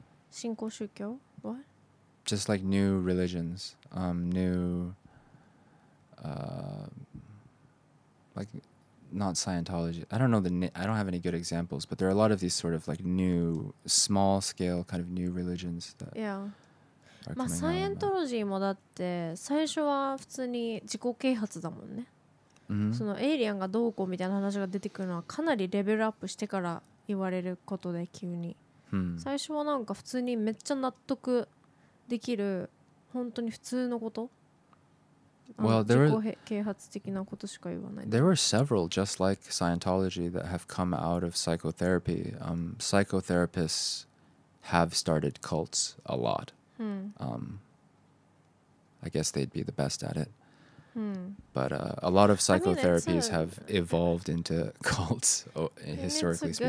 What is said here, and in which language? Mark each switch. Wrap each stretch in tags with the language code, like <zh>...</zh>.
<ja>新興宗教?What?</ja> <en>Just like new religions, new. Like, not Scientology. I don't know I don't have any good examples, but there are a lot of these sort of like new, small scale kind of new religions that.</en> <ja>Yeah. まあ、サイエントロジーもだって最初は普通に自己啓発だもんね。そのエイリアンがどうこうみたいな話が出てくるのはかなりレベルアップしてから言われることで急に。最初はなんか普通にめっちゃ納得できる本当に普通のこと。</ja> <en>Well, there were</en> <ja>自己啓発的なことしか言わない。</ja> <en>There were several just like Scientology that have come out of psychotherapy. Psychotherapists have started cults a lot. I guess they'd be the best at it. But a lot of psychotherapies have evolved into cults, historically speaking.</en>